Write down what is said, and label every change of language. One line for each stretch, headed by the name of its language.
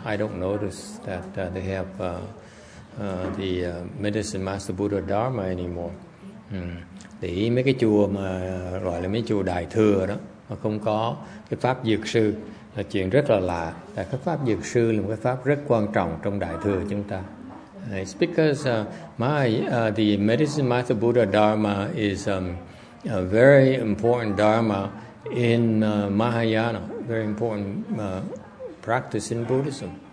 English: I don't notice that they have Medicine Master Buddha Dharma anymore.
Vietnamese: Để ý mấy cái chùa mà gọi là mấy chùa đại thừa đó mà không có cái pháp dược sư là chuyện rất là lạ. Tại cái pháp dược sư là một cái pháp rất quan trọng trong đại thừa chúng ta.
English: It's because the Medicine Master Buddha Dharma is a very important dharma in Mahayana, very important practice in Buddhism.